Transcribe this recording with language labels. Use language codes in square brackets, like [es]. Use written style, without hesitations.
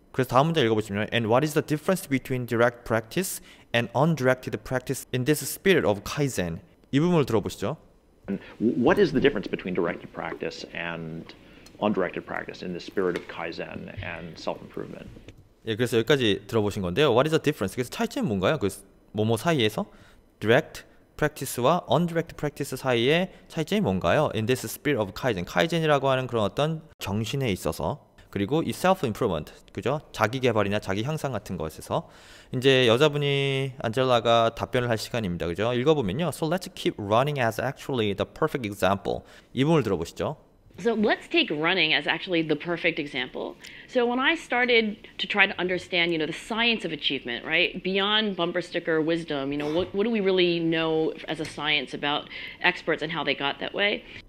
[ko] 그래서 다음 문제 읽어보시면 [en] And what is the difference between direct practice and undirected practice in this spirit of Kaizen? [ko] 이 부분을 들어보시죠. [en] And what is the difference between directed practice and undirected practice in the spirit of Kaizen and self-improvement? [ko] 예, 그래서 여기까지 들어보신 건데요. [en] What is the difference? [ko] 그래서 차이점이 뭔가요? 그 뭐뭐 사이에서 direct practice와 undirected practice 사이의 차이점이 뭔가요? [en] In this spirit of Kaizen, [ko] Kaizen이라고 하는 그런 어떤 정신에 있어서 그리고 이 self improvement, 그죠? 자기 개발이나 자기 향상 같은 것에서 이제 여자분이 안젤라가 답변을 할 시간입니다. 그죠? 읽어보면요. [en] So let's keep running as actually the perfect example. [ko] 이 부분을 들어보시죠. [en] So let's take running as actually the perfect example. So when I started to try to understand, the science of achievement, right? Beyond bumper sticker wisdom, what do we really know as a science about experts and how they got that way?